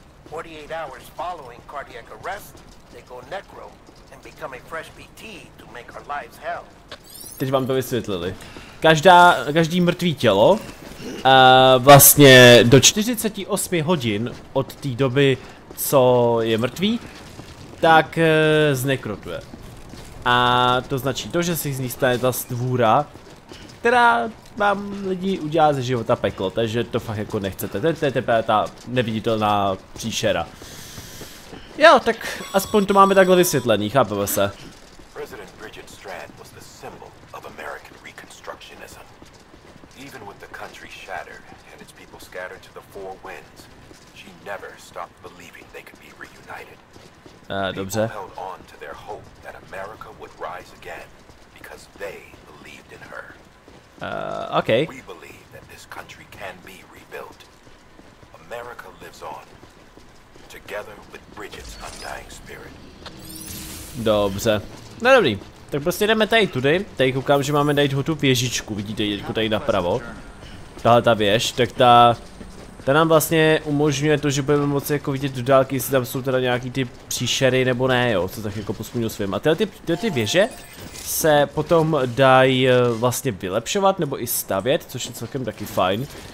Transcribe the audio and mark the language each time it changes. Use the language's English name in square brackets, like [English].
[English] 48 hours following cardiac arrest, they go necro and become a fresh BT to make our lives hell. [Czech] Teď vám to vysvětlili. Každý mrtvý tělo vlastně do 48 hodin od té doby, co je mrtvý, tak znekrotuje. A to značí to, že si z ní stane ta stvůra, která vám lidi udělá ze života peklo, takže to fakt jako nechcete, to je ta neviditelná příšera. Jo, tak aspoň to máme takhle vysvětlený, chápeme se. [English] President Bridget Strand was the symbol of American Reconstructionism. Even with the country shattered and its people scattered to the four winds, she never stopped believing they could be reunited. [Czech] Dobře. [English] People held on to their hope that America would rise again because they believed in her. Okay. We believe that this country can be rebuilt. America lives on. Together with Bridget's undying spirit. [Czech] Dobře. No dobrý. Tak prostě jdeme tady tudy. Tady koukám, že máme najít tu věžičku. Vidíte ji tady napravo. Tahle ta věž. Tak ta nám vlastně umožňuje to, že budeme moci jako vidět do dálky, jestli tam jsou teda nějaký ty příšery nebo ne, jo, co tak jako pospomínu svým. A tyhle ty věže se potom dají vlastně vylepšovat nebo i stavět, což je celkem taky fajn.